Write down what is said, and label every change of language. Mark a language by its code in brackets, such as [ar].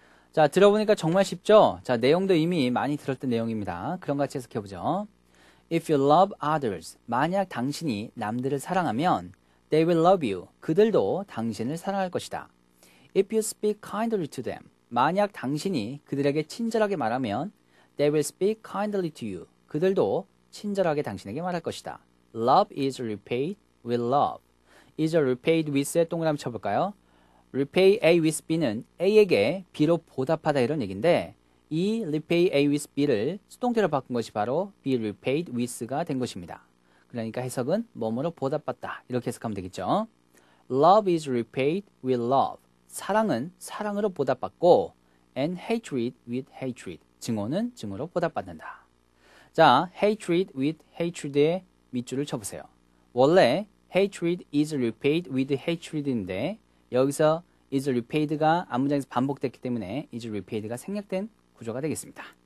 [ko] 자, 들어보니까 정말 쉽죠? 자, 내용도 이미 많이 들었던 내용입니다. 그럼 같이 해석해보죠. [en] If you love others, [ko] 만약 당신이 남들을 사랑하면, [en] They will love you. [ko] 그들도 당신을 사랑할 것이다. [en] If you speak kindly to them. [ko] 만약 당신이 그들에게 친절하게 말하면 [en] They will speak kindly to you. [ko] 그들도 친절하게 당신에게 말할 것이다. [en] Love is repaid with love. [ko] Is repaid with의 동그라미 쳐볼까요? Repay A with B는 A에게 B로 보답하다 이런 얘기인데 이 repay A with B를 수동태로 바꾼 것이 바로 be repaid with가 된 것입니다. 그러니까 해석은 뭐뭐로 보답받다 이렇게 해석하면 되겠죠. [en] Love is repaid with love. [ko] 사랑은 사랑으로 보답받고 [en] and hatred with hatred. [ko] 증오는 증오로 보답받는다. 자, [en] hatred with hatred [ko] 의 밑줄을 쳐보세요. 원래 [en] hatred is repaid with hatred [ko] 인데 여기서 is repaid가 앞문장에서 반복됐기 때문에 is repaid가 생략된 구조가 되겠습니다.